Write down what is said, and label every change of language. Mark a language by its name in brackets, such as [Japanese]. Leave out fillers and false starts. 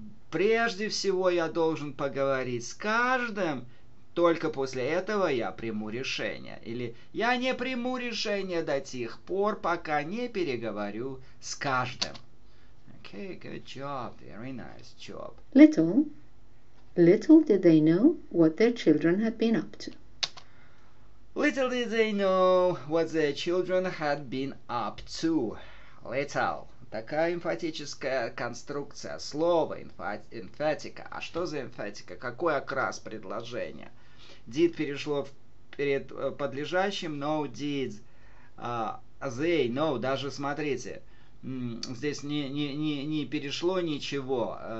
[Russian] Прежде всего я должен поговорить с каждым, только после этого я приму решение. Или я не приму решение до тех пор, пока не переговорю с каждым. [English] Okay, good job. Very nice job. Little did they know what their children had been up to. Little did they know what their children had been up to. Little. [Russian] Такая эмфатическая конструкция. Слово эмфатика. А что за эмфатика? Какой окрас предложения? Did перешло перед подлежащим. [English] No, did. They, no. [Russian] Даже смотрите. Здесь не перешло ничего.